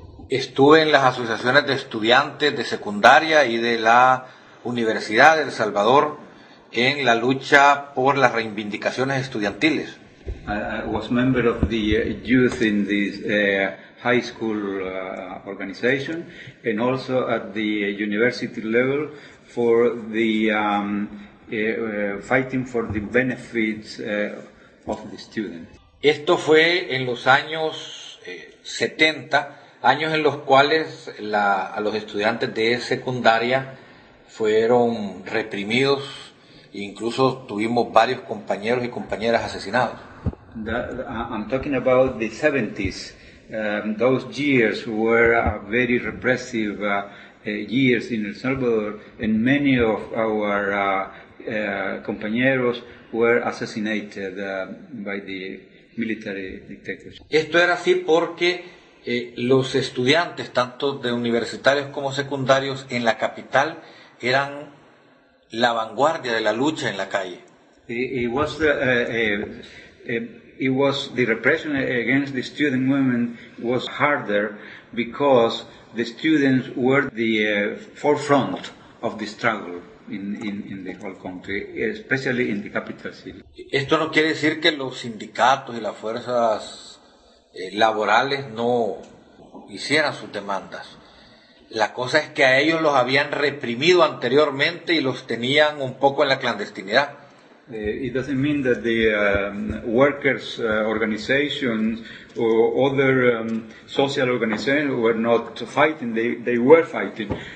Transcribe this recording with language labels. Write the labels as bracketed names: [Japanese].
[Spanish] Estuve en las asociaciones de estudiantes de secundaria y de la Universidad de El Salvador en la lucha por las reivindicaciones estudiantiles. [English] I was member of the youth in this high school organization and also at the university level for the fighting for the benefits of the students. [Spanish] Esto fue en los años 70, años en los cuales a los estudiantes de secundaria fueron reprimidos. Incluso tuvimos varios compañeros y compañeras asesinados. [English] I'm talking about the 70s. Those years were very repressive years in El Salvador, and many of our compañeros were assassinated by the military dictators. [Spanish] Esto era así porque los estudiantes, tanto de universitarios como secundarios, en la capital eran la vanguardia de la lucha en la calle. [English] It was the repression against the student movement was harder because the students were the forefront of the struggle in the whole country, especially in the capital city. [Spanish] Esto no quiere decir que los sindicatos y las fuerzas laborales no hicieran sus demandas. La cosa es que a ellos los habían reprimido anteriormente y los tenían un poco en la clandestinidad. [English] It doesn't mean that the workers' organizations or other social organizations were not fighting. They were fighting.